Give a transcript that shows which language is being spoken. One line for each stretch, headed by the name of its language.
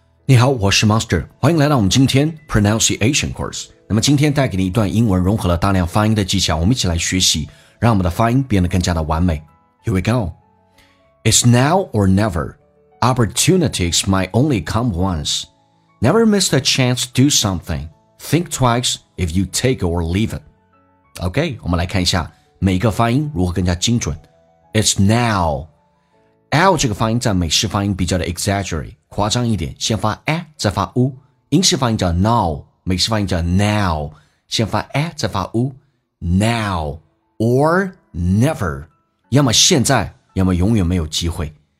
Chinese: 你好，我是 Master， 欢迎来到我们今天
English: Pronunciation Course。
Chinese: 那么今天带给你一段英文融合了大量发音的技巧，我们一起来学习，让我们的发音变得更加的完美。
English: Here we go. It's now or never. Opportunities might only come once. Never miss a chance to do something. Think twice if you take or leave it.
Chinese: OK, 我们来看一下每一个发音如何更加精准。
English: It's nowL
Chinese: 这个发音在美式发音比较的 exaggerate， 夸张一点，先发 a 再发 u， 英式发音叫 now， 美式发音叫 now， 先发 a 再发 u，
English: now or never，
Chinese: 要么现在要么永远没有机会，